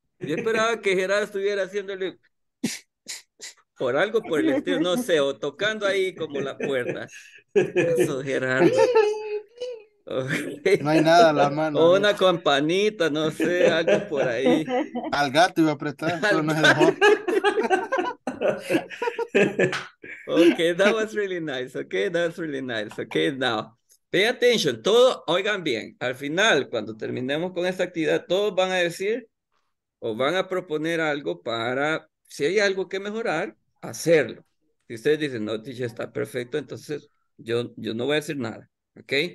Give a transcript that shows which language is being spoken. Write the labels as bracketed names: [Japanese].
[Spanish] Yo esperaba que Gerardo estuviera haciéndole por algo por el estilo, no sé, o tocando ahí como la puerta. Eso, Gerardo. Okay. No hay nada a la mano. O una campanita, no sé, algo por ahí. Al gato iba a prestar, pero no se dejó. [English] Okay, that was really nice. Okay, that's really nice. Okay, now. Pay attention, [Spanish] todo, oigan bien. Al final, cuando terminemos con esta actividad, todos van a decir o van a proponer algo para, si hay algo que mejorar, hacerlo. Si ustedes dicen, no, teacher, está perfecto, entonces yo no voy a decir nada, ¿ok?